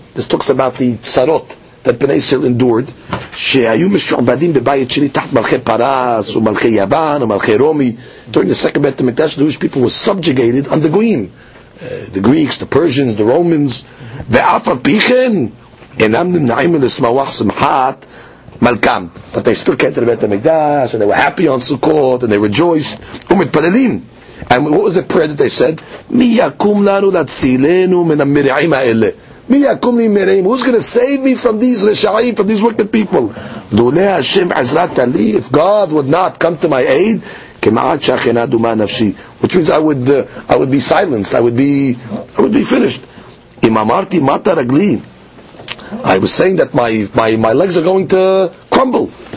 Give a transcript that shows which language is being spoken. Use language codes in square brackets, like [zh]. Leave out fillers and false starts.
[en] This talks about the Sarot that Bnei Yisrael endured, [he] שהיו משועבדים בבית שלי תחת מלכי פרס ומלכי יוון ומלכי רומי. [en] During the second Beit HaMikdash, the Jewish people were subjugated under goyim, the Greeks, the Persians, the Romans. [he] ואף על פי כן אינם נמנעים לשמוח שמחת מלכם. [en] But they still came to the Beit HaMikdash, and they were happy on Sukkot, and they rejoiced [he] ומתפללים. [en] And what was the prayer that they said? [he] מי יקום לנו להצילנו מן המרעים האלה? [en] Who's going to save me from these Rishayim, from these wicked people? If God would not come to my aid, which means I would be silenced. I would be finished. I was saying that my legs are going to crumble.